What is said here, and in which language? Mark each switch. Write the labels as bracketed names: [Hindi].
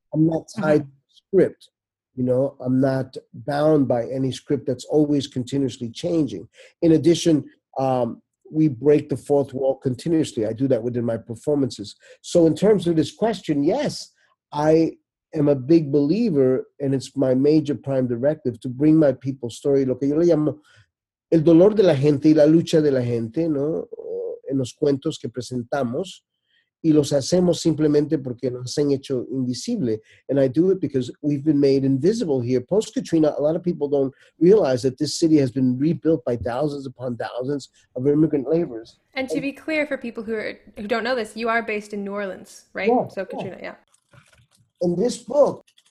[English] I'm not tied to script. You know, I'm not bound by any script that's always continuously changing. In addition, we break the fourth wall continuously. I do that within my performances. So in terms of this question, yes, I am a big believer, and it's my major prime directive to bring my people's story. [Spanish] Lo que yo le llamo el dolor de la gente y la lucha de la gente, ¿no? En los cuentos que presentamos, y los hacemos simplemente porque nos han hecho invisible. [English] And I do it because we've been made invisible here. Post-Katrina, a lot of people don't realize that this city has been rebuilt by thousands upon thousands of immigrant laborers. And to be clear for people who don't know this, you are based in New Orleans, right? Yeah, so Katrina, yeah. In this book,